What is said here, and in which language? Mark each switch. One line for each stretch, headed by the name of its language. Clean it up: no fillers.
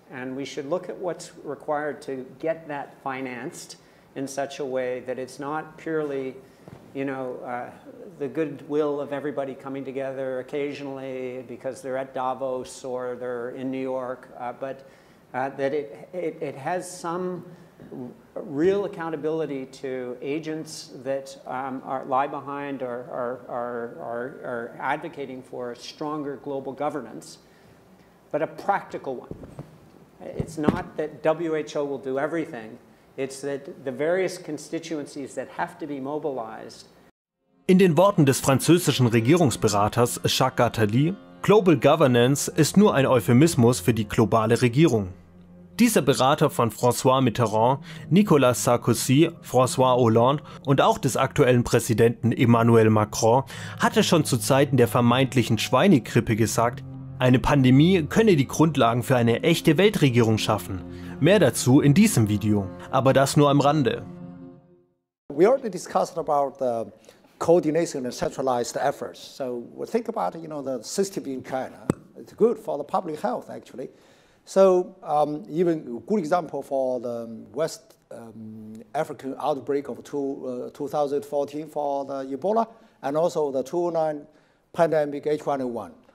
English: And we should look at what's required to get that financed in such a way that it's not purely, you know, the goodwill of everybody coming together occasionally because they're at Davos or they're in New York, but that it has some real accountability to agents that lie behind or are advocating for stronger global governance. But a practical one. It's not that WHO will do everything, it's that the various constituencies that have to be mobilized.
German: In den Worten des französischen Regierungsberaters Jacques Attali, Global Governance ist nur ein Euphemismus für die globale Regierung. Dieser Berater von François Mitterrand, Nicolas Sarkozy, François Hollande und auch des aktuellen Präsidenten Emmanuel Macron hatte schon zu Zeiten der vermeintlichen Schweinegrippe gesagt, eine Pandemie könne die Grundlagen für eine echte Weltregierung schaffen. Mehr dazu in diesem Video, aber das nur am Rande.
English: We already discussed about the coordination and centralized efforts. So we think about, you know, the system in China. It's good for the public health, actually. So even a good example for the West African outbreak of 2014 for the Ebola and also the 2009 pandemic H1N1.